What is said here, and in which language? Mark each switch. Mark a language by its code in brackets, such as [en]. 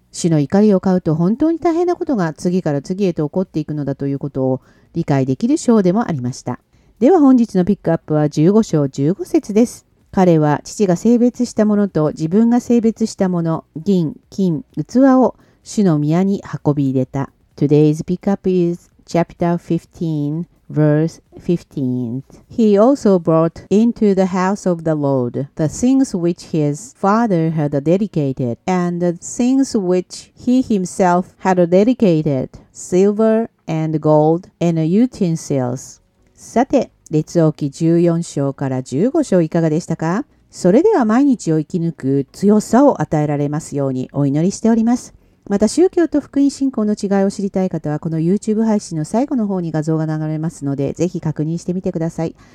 [ja] 主の怒りを買うと本当に大変なことが次から次へと起こっていくのだということを理解できる章でもありました。では本日のピックアップは15章15節です。彼は父が性別したものと自分が性別したもの、銀、金、器を主の宮に運び入れた。 [en] Today's pickup is chapter 15, verse 15. He also brought into the house of the Lord the things which his father had dedicated and the things which he himself had dedicated, silver and gold and utensils. [ja] さて、列王記14章から15章いかがでしたか？それでは毎日を生き抜く強さを与えられますようにお祈りしております。また宗教と福音信仰の違いを知りたい方は、この YouTube 配信の最後の方に画像が流れますので、ぜひ確認してみてください。